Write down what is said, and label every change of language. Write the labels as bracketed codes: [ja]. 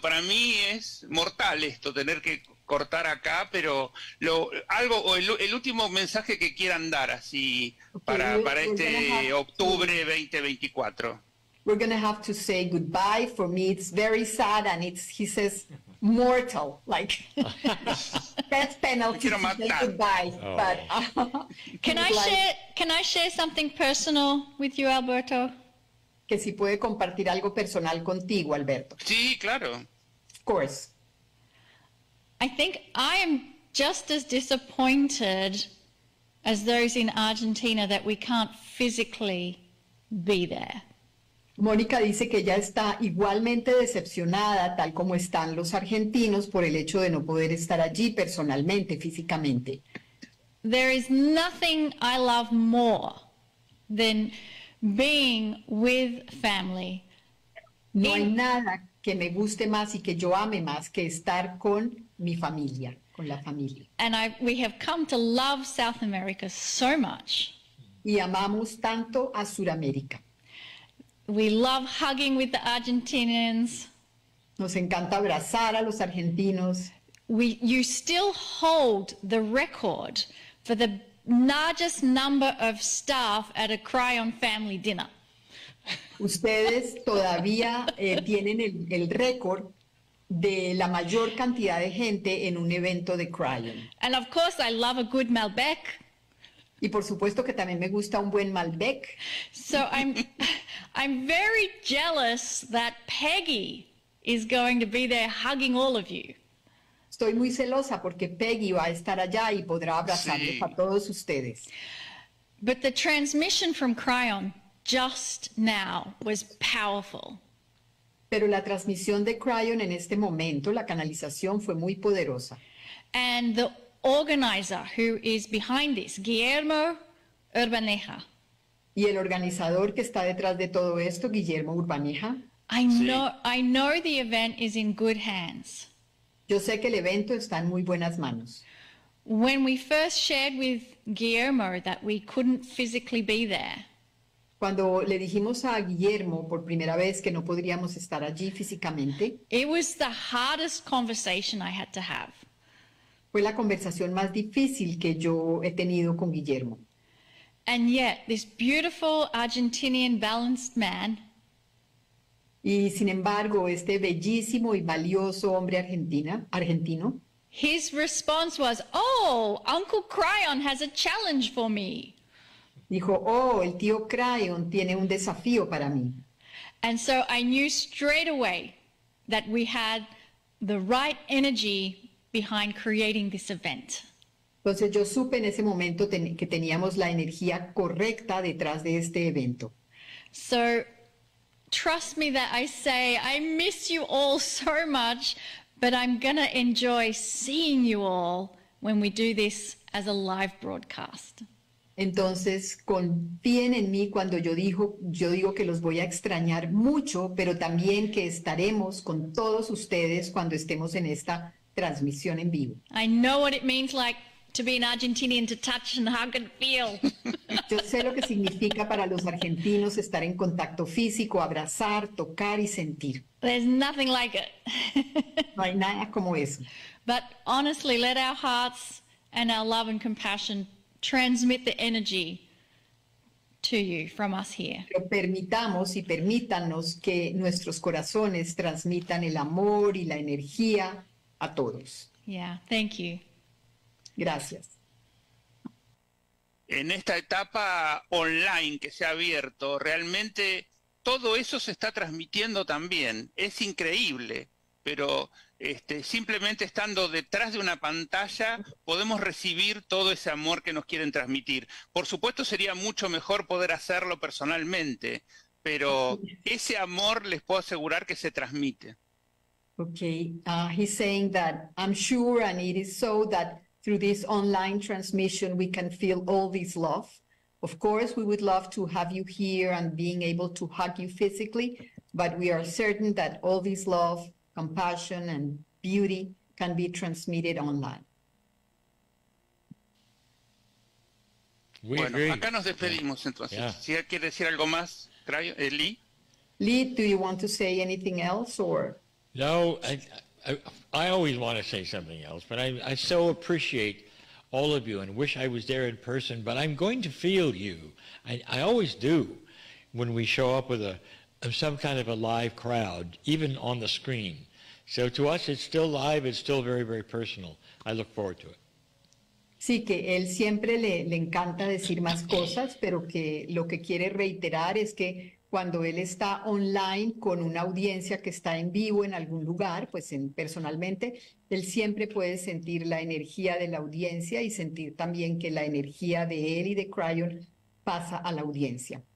[es] Para mí es mortal esto, tener que cortar acá, pero el último mensaje que quieran dar así para este octubre 2024. [en] We're going to have to say goodbye. For me, it's very sad, and he says mortal, like death penalty. [es] Quiero matar. [en] Say goodbye, oh. But can I share something personal with you, Alberto? [es] Que si puede compartir algo personal contigo, Alberto. Sí, claro. [en] Of course. I think I am just as disappointed as those in Argentina that we can't physically be there. [es] Mónica dice que ya está igualmente decepcionada, tal como están los argentinos, por el hecho de no poder estar allí personalmente, físicamente. [en] There is nothing I love more than being with family. [es] No hay nada que me guste más y que yo ame más que estar con mi familia, con la familia. [en] And we have come to love South America so much. [es] Y amamos tanto a Sudamérica. [en] We love hugging with the Argentinians. [es] Nos encanta abrazar a los argentinos. [en] You still hold the record for the largest number of staff at a Cryon family dinner. [es] Ustedes todavía tienen el récord de la mayor cantidad de gente en un evento de Cryon. [en] And of course I love a good Malbec. [es] Y por supuesto que también me gusta un buen Malbec. [en] So I'm very jealous that Peggy is going to be there hugging all of you. [es] Estoy muy celosa porque Peggy va a estar allá y podrá abrazarles, sí, a todos ustedes. [en] But the transmission from Cryon just now was powerful. [es] Pero la transmisión de Cryon en este momento, la canalización, fue muy poderosa. [en] And the organizer who is behind this, Guillermo Urbaneja. [es] Y el organizador que está detrás de todo esto, Guillermo Urbaneja. [en] I know the event is in good hands. [es] Yo sé que el evento está en muy buenas manos. [en] When we first shared with Guillermo that we couldn't physically be there. [es] Cuando le dijimos a Guillermo por primera vez que no podríamos estar allí físicamente. [en] It was the hardest conversation I had to have. [es] Fue la conversación más difícil que yo he tenido con Guillermo. [en] And yet, this beautiful Argentinian balanced man. [es] Y sin embargo, este bellísimo y valioso hombre argentino. [en] His response was, oh, Uncle Cryon has a challenge for me. [es] Dijo, oh, el tío Cryon tiene un desafío para mí. [en] And so I knew straight away that we had the right energy behind creating this event. [es] Entonces yo supe en ese momento que teníamos la energía correcta detrás de este evento. [en] So trust me that I say I miss you all so much, but I'm going to enjoy seeing you all when we do this as a live broadcast. [es] Entonces, confíen en mí cuando yo digo que los voy a extrañar mucho, pero también que estaremos con todos ustedes cuando estemos en esta transmisión en vivo. [en] I know what it means like to be an Argentinian, to touch and hug and feel. [es] Yo sé lo que significa para los argentinos estar en contacto físico, abrazar, tocar y sentir. [en] There's nothing like it. [es] No hay nada como eso. [en] But honestly, let our hearts and our love and compassion transmit the energy to you from us here. [es] Pero permitamos y permítanos que nuestros corazones transmitan el amor y la energía a todos. [en] Yeah, thank you. [es] Gracias. En esta etapa online que se ha abierto, realmente todo eso se está transmitiendo también. Es increíble, pero simplemente estando detrás de una pantalla, podemos recibir todo ese amor que nos quieren transmitir. Por supuesto, sería mucho mejor poder hacerlo personalmente, pero ese amor les puedo asegurar que se transmite. [en] Okay, he's saying that I'm sure, and it is so, that through this online transmission, we can feel all this love. Of course, we would love to have you here and being able to hug you physically, but we are certain that all this love, compassion, and beauty can be transmitted online. We [es] bueno, [en] agree. [es] Acá nos despedimos, entonces. Yeah. Si quiere decir algo más, Lee. [en] Lee, do you want to say anything else or? No, I always want to say something else, but I so appreciate all of you and wish I was there in person, but I'm going to feel you. I always do when we show up with some kind of a live crowd, even on the screen. So to us, it's still live, it's still very, very personal. I look forward to it. [es] Sí, que él siempre le encanta decir más cosas, pero que lo que quiere reiterar es que cuando él está online con una audiencia que está en vivo en algún lugar, pues personalmente, él siempre puede sentir la energía de la audiencia y sentir también que la energía de él y de Cryon pasa a la audiencia.